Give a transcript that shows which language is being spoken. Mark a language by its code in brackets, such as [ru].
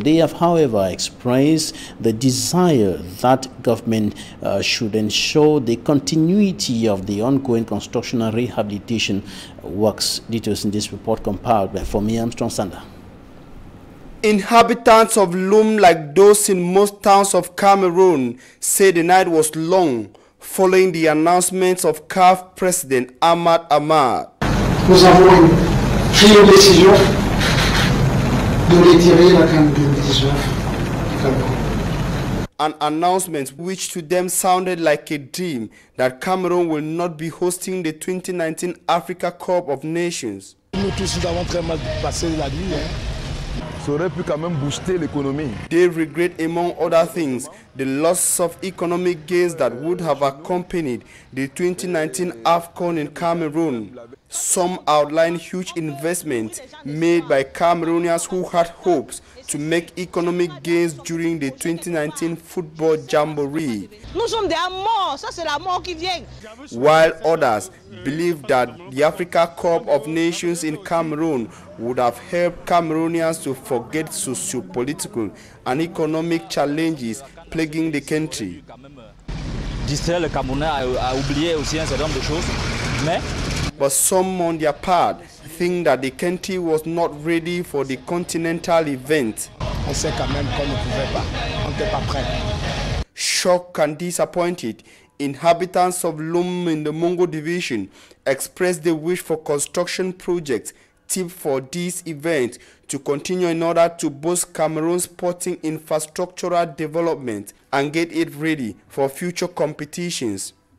[en] They have, however, expressed the desire that government should ensure the continuity of the ongoing construction and rehabilitation works. Details in this report compiled by Fomi Armstrong Sanda. Inhabitants of Lum, like those in most towns of Cameroon, say the night was long following the announcements of CAF President Ahmad Ahmad. [fr] Nous avons pris une décision de retirer la CAN 2019. [en] An announcement which to them sounded like a dream that Cameroon will not be hosting the 2019 Africa Cup of Nations. [fr] Nous tous nous avons très mal passé la nuit. Hein? Ça aurait pu quand même booster l'économie. [en] They regret, among other things, the loss of economic gains that would have accompanied the 2019 AFCON in Cameroon. Some outline huge investments made by Cameroonians who had hopes to make economic gains during the 2019 football jamboree. [fr] Nous sommes des morts, ça c'est la mort qui vient. [en] While others believe that the Africa Cup of Nations in Cameroon would have helped Cameroonians to forget socio-political and economic challenges plaguing the country. [fr] Distraire le Camerounais a oublié aussi un certain nombre de choses, mais. [en] But some on their part think that the country was not ready for the continental event. [fr] On sait quand même qu'on ne pouvait pas, on n'était pas prêt. [en] Shocked and disappointed, inhabitants of Lum in the Mongo division expressed the wish for construction projects tipped for this event to continue in order to boost Cameroon's sporting infrastructural development and get it ready for future competitions.